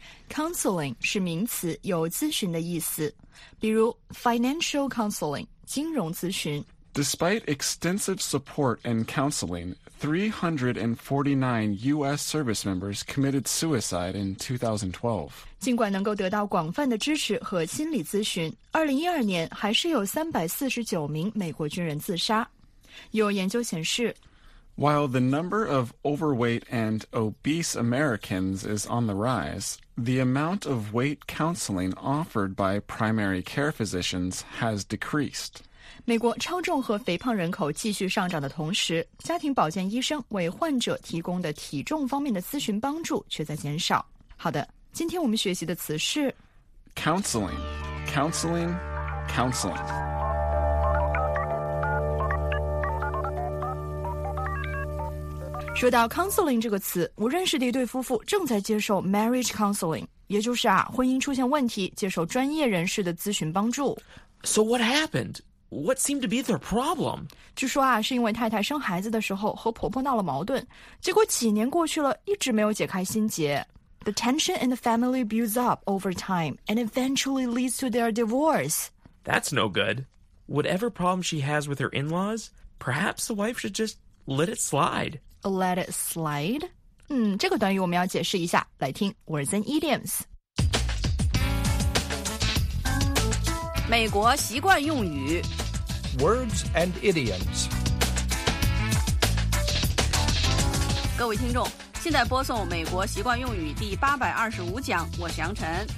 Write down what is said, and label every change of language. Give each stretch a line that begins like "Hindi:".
Chinese: Counseling 是名词，有咨询的意思。比如 financial counseling, 金融咨询。
English: Despite extensive support and counseling, 349 U.S. service members committed suicide in 2012.
Chinese: 尽管能够得到广泛的支持和心理咨询，2012年还是有349名美国军人自杀。有研究显示，
English: While the number of overweight and obese Americans is on the rise, the amount of weight counseling offered by primary care physicians has decreased.
Chinese: 美国超重和肥胖人口继续上涨的同时，家庭保健医生为患者提供的体重方面的咨询帮助却在减少。好的，今天我们学习的词是
English: counseling, counseling, counseling.
Chinese: 说到 counseling 这个词，我认识的一对夫妇正在接受 marriage counseling， 也就是啊，婚姻出现问题，接受专业人士的咨询帮助。
English: So what happened? What seemed to be their problem?
Chinese: 据说啊，是因为太太生孩子的时候和婆婆闹了矛盾，结果几年过去了，一直没有解开心结。
English: The tension in the family builds up over time and eventually leads to their divorce. That's no good. Whatever problem she has with her in-laws, perhaps the wife should just let it slide. Let it slide.
Chinese: 这个短语我们要解释一下，来听 words and idioms. 美国习惯用语
English: words and idioms.
Chinese: 各位听众，现在播送美国习惯用语第825讲，我是杨晨，